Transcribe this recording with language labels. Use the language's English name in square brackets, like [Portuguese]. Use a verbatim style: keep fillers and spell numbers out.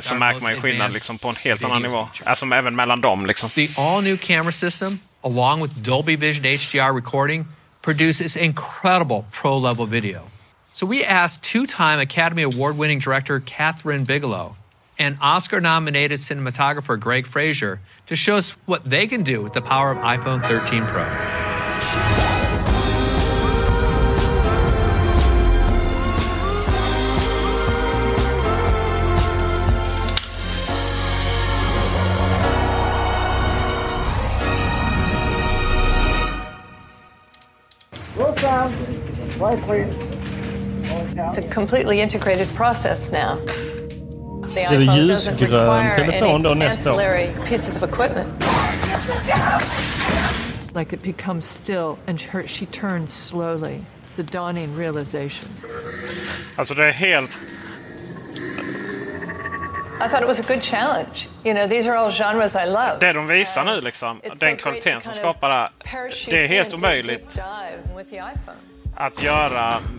[Swedish] Så märker man ju skillnad liksom på en helt annan nivå. Alltså även mellan dem liksom. [English] The all new camera system along with Dolby Vision H D R recording produces incredible pro level video. So we asked two-time Academy Award-winning director Kathryn Bigelow and Oscar-nominated cinematographer Greg Fraser to show us what they can do with the power of iPhone thirteen Pro. Roll sound. Right, please. It's a completely integrated process now. The iPhone doesn't require any ancillary pieces of equipment. Like it becomes still and her, she turns slowly. It's the dawning realization. [Swedish] Alltså det är helt... [English] I thought it was a good challenge. You know, these are all genres I love. [Swedish] Det de visar nu liksom, den kvaliteten som skapar det är helt omöjligt att göra...